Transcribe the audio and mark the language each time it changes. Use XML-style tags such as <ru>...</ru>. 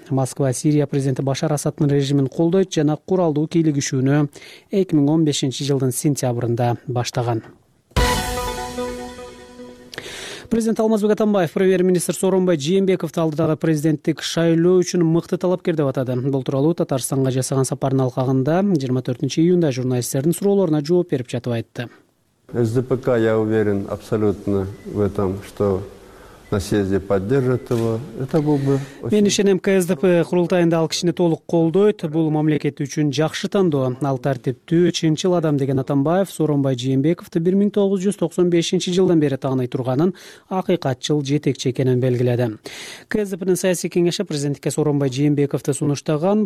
<ky>Москва Сирия президенти Башар Асадтын режимин колдойт жана куралдуу кийлигишүүнү 2015-жылдын сентябрында баштаган. Президент Алмазбек Атамбаев премьер-министр Сооронбай Жээнбековду алдыдагы президенттик шайлоо үчүн мыкты талапкер деп атады. Бул тууралуу Татарстанга жасаган сапарынын алкагында 24-июнда журналисттердин суроолоруна жооп берип жатып айтты.</ky> <ru>СДПК, я уверен абсолютно в этом, что на съезде поддержат его. Это был бы очень...</ru> <ky>Мен ишенем, КСДП курултайында ал кишини толук колдойт. Бул мамлекет үчүн жакшы тандоо. Ал тартиптүү, чынчыл адам деген Атамбаев Сооронбай Жээнбековду 1995-жылдан бери тааный турганын, акыйкатчыл жетекчи экенин белгиледи. КСДПнин саясий кеңеши президентке Сооронбай Жээнбековду сунуштаган.</ky>